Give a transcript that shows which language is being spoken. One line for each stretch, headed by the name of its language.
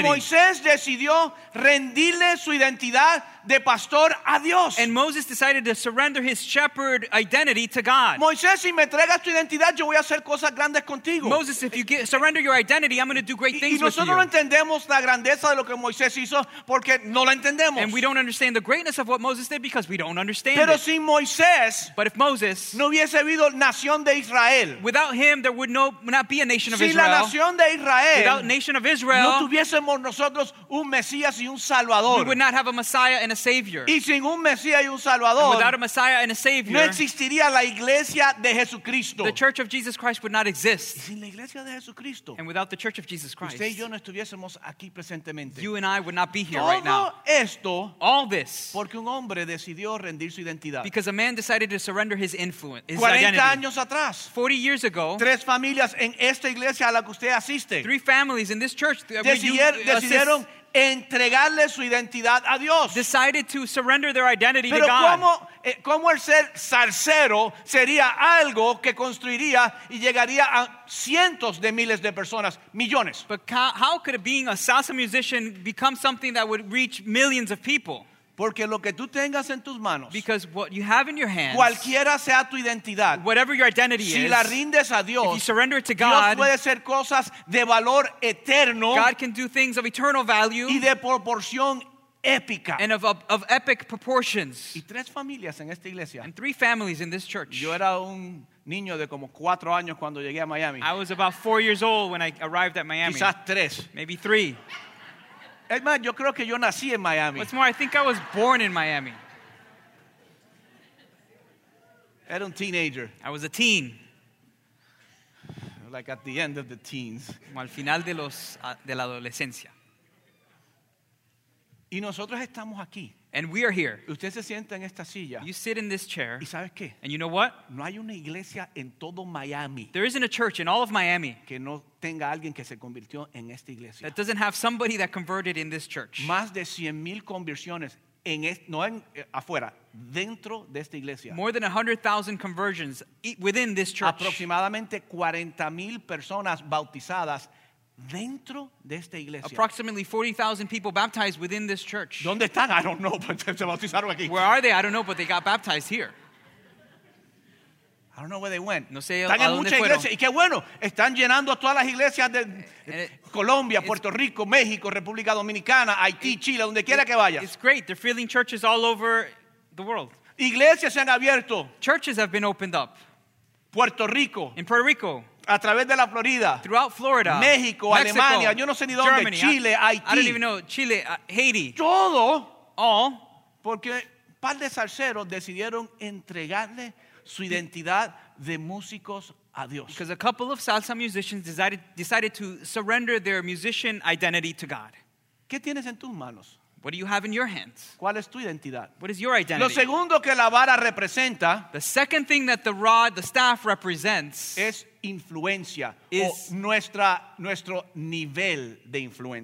Spanish: Y Moisés decidió rendirle su identidad de pastor a Dios.
English: And Moses decided to surrender his shepherd identity to God.
Spanish: Moisés, si me entregas tu identidad, yo voy a hacer cosas grandes contigo.
English: Moses, if you surrender your identity, I'm going to do great things with you.
Spanish: Y nosotros no entendemos la grandeza de lo que Moisés hizo porque no la entendemos.
English: And we don't understand the greatness of what Moses did because we don't understand
Spanish: Pero
English: it.
Spanish: Sin Moisés,
English: but if Moses,
Spanish: no hubiese habido nación de Israel,
English: without him, there would not be a nation of
Spanish: sin
English: Israel.
Spanish: La nación de Israel,
English: without nation of Israel,
Spanish: no tuviésemos nosotros un Mesías y un Salvador.
English: We would not have a Messiah and a Savior.
Spanish: Y sin un Mesías y un Salvador,
English: and without a Messiah and a Savior,
Spanish: no existiría la iglesia de Jesucristo.
English: The Church of Jesus Christ would not exist.
Spanish: Y sin la iglesia de Jesucristo,
English: and without the Church of Jesus Christ,
Spanish: usted y yo no estuviésemos aquí presentemente.
English: You and I would not be here
Spanish: Todo
English: right now.
Spanish: Esto,
English: all this,
Spanish: porque un hombre decidió rendir su identidad.
English: Because a man decided to surrender his influence, his
Spanish: 40
English: identity.
Spanish: Años atrás,
English: 40 years ago,
Spanish: tres familias en esta iglesia a la que usted asiste,
English: three families in this church
Spanish: decidieron entregarle su identidad a Dios.
English: Decided to surrender their identity
Spanish: Pero
English: to God.
Spanish: ¿Cómo el ser salsero sería algo que construiría y llegaría a cientos de miles de personas, millones?
English: But how could being a salsa musician become something that would reach millions of people?
Spanish: Porque lo que tú tengas en tus manos,
English: because what you have in your hands,
Spanish: cualquiera sea tu identidad,
English: whatever your identity
Spanish: si
English: is,
Spanish: la rindes a Dios,
English: if you surrender it to God,
Spanish: Dios puede hacer cosas de valor eterno,
English: God can do things of eternal value,
Spanish: y de proporción épica,
English: and of epic proportions.
Spanish: Y tres familias en esta iglesia,
English: and three families in this church.
Spanish: Yo era un niño de como cuatro años cuando llegué a Miami.
English: I was about 4 years old when I arrived at Miami.
Spanish: Quizás tres.
English: Maybe three.
Spanish: Es más, yo creo que yo nací en Miami.
English: What's more, I think I was born in Miami.
Spanish: Era un teenager.
English: I was a teen. Like at the end of the teens.
Spanish: Como al final de la adolescencia. Y nosotros estamos aquí.
English: And we are here.
Spanish: Usted se sienta en esta silla.
English: You sit in this chair.
Spanish: ¿Y sabes qué?
English: And you know what?
Spanish: No hay una iglesia en todo Miami.
English: There isn't a church in all of Miami
Spanish: que no tenga alguien que se convirtió en esta iglesia.
English: That doesn't have somebody that converted in this church.
Spanish: Más de 100,000 conversiones en no en afuera, dentro de esta iglesia.
English: More than 100,000 conversions within this church.
Spanish: Aproximadamente 40,000 personas bautizadas dentro de esta iglesia.
English: Approximately 40,000 people baptized within this church.
Spanish: ¿Dónde están?
English: I don't know,
Spanish: but se bautizaron aquí.
English: Where are they? I don't know, but they got baptized here. I don't know where they went.
Spanish: No sé. Están en muchas iglesias. Y qué bueno, están llenando todas las iglesias de Colombia, Puerto Rico, México, República Dominicana, Haití, Chile, donde quiera que vaya.
English: It's great. They're filling churches all over the world.
Spanish: Iglesias se han abierto.
English: Churches have been opened up.
Spanish: Puerto Rico.
English: In Puerto Rico.
Spanish: A través de la Florida.
English: Throughout Florida.
Spanish: México, Alemania, yo no sé ni dónde,
English: Germany,
Spanish: Chile, Haití.
English: I don't even know, Chile, Haiti.
Spanish: Todo.
English: All.
Spanish: Porque un par de salseros decidieron entregarle su identidad de músicos a Dios.
English: Because a couple of salsa musicians decided to surrender their musician identity to God.
Spanish: ¿Qué tienes en tus manos?
English: What do you have in your hands?
Spanish: ¿Cuál es tu identidad?
English: What is your identity?
Spanish: Lo segundo que la vara representa,
English: the second thing that the rod, the staff represents,
Spanish: es influencia, is o nuestro nivel de influencia.